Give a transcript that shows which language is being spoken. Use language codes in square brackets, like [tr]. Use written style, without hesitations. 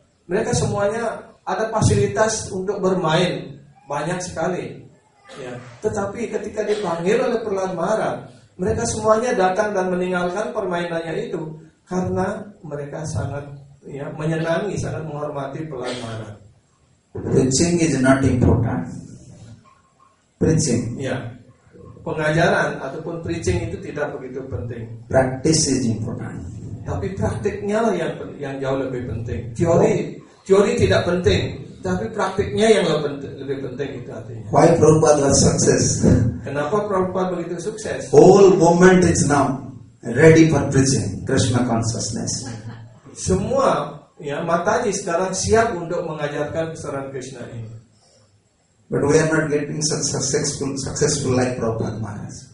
[id] mereka semuanya ada fasilitas untuk bermain banyak sekali. Ya. Tetapi ketika dipanggil oleh Perlahan Mahara, mereka semuanya datang dan meninggalkan permainannya itu karena mereka sangat ya, menyenangi, sangat menghormati Perlahan Mahara. [en] Preaching is not important. Preaching. [id] Ya. Pengajaran ataupun preaching itu tidak begitu penting. [en] Practice is important. [id] Tapi praktiknya yang jauh lebih penting. Teori teori tidak penting, tapi praktiknya yang lebih penting itu artinya. [en] Why Prabhupada was success? [id] Kenapa Prabhupada begitu sukses? [en] Whole moment is now ready for preaching Krishna consciousness. [id] Semua ya mataji sekarang siap untuk mengajarkan pesan Krishna ini. [en] But we are not getting successful like Prabhupada Maharaj.